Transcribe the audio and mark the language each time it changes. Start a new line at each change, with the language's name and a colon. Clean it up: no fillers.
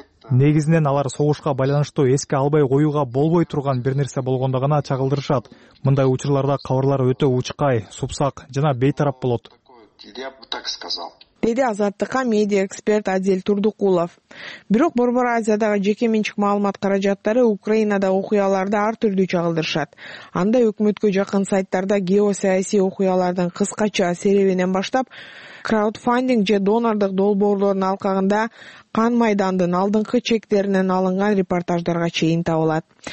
Kyrgyz: Негизинен алар согушка байланыштуу эске албай коюуга болбой турган бир нерсе болгондо гана чагылдырышат. Мындай учурларда кабарлар өтө учкай, супсак жана бейтарап болот.
Russian: Я бы так сказал.
Kyrgyz: Деди Азаттыкка медиа эксперт Адил Турдукулов. Бирок Борбор Азиядагы жеке менчик маалымат каражаттары Украинада окуяларды ар түрдүү чагылдырышат. Анда өкмөткө жакын сайттарда геосаясий окуялардын кыскача серебинен баштап, краудфандинг же донордук долбоорлордун алкагында кан майдандын алдыңкы чектеринен алынган репортаждарга чейин табылат.